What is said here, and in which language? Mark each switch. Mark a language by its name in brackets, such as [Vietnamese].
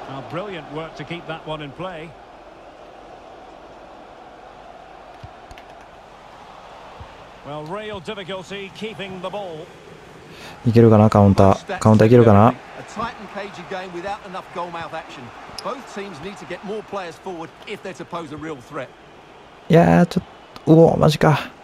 [English] Brilliant work to keep that one in play. Well, real difficulty keeping the ball. [Japanese] いけるかな、カウンター。カウンターいけるかな。 [English] A tight and cagey game without enough goal mouth action. Both teams need to get more players forward if they're to pose a real threat. [Japanese] いやー、ちょっと、おお、マジか。